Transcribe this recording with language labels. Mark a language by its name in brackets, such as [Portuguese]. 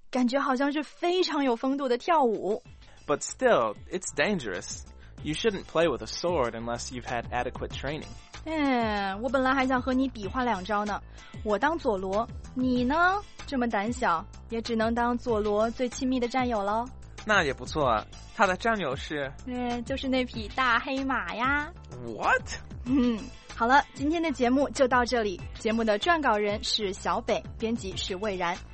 [Chinese] 感觉好像是非常有风度的跳舞。 [English] But still, it's dangerous. You shouldn't play with a sword unless you've had adequate training. [Chinese] 我本来还想和你比划两招呢。我当佐罗，你呢？这么胆小，也只能当佐罗最亲密的战友喽。那也不错，他的战友是？就是那匹大黑马呀。 [English] What? [Chinese] 好了，今天的节目就到这里。节目的撰稿人是小北，编辑是魏然。